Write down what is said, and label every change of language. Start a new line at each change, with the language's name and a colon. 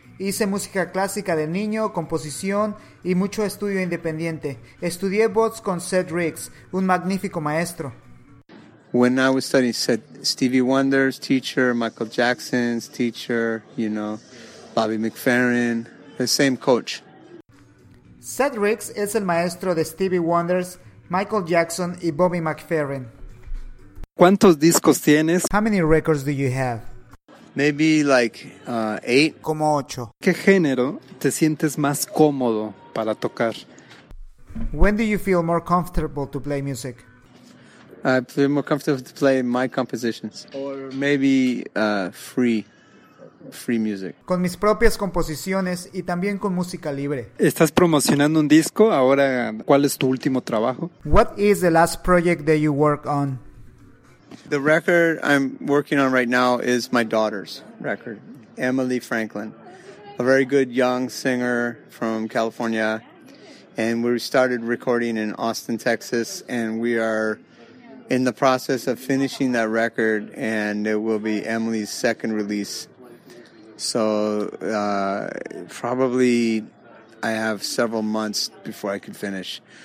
Spanish: Hice música clásica de niño, composición y mucho estudio independiente. Estudié voz con Seth Riggs, un magnífico maestro.
English: When I was studying, Stevie Wonder's teacher, Michael Jackson's teacher, you know, Bobby McFerrin, the same coach.
Spanish: Seth Riggs es el maestro de Stevie Wonder's, Michael Jackson y Bobby McFerrin. ¿Cuántos discos tienes?
English: How many records do you have? Maybe like 8.
Spanish: Como 8. ¿Qué género te sientes más cómodo para tocar?
English: When do you feel more comfortable to play music? I feel more comfortable to play my compositions. Or maybe free music.
Spanish: Con mis propias composiciones y también con música libre. ¿Estás promocionando un disco? Ahora, ¿cuál es tu último trabajo?
English: What is the last project that you work on? The record I'm working on right now is my daughter's record, Emily Franklin, a very good young singer from California, and we started recording in Austin, Texas, and we are in the process of finishing that record, and it will be Emily's second release, so probably I have several months before I can finish.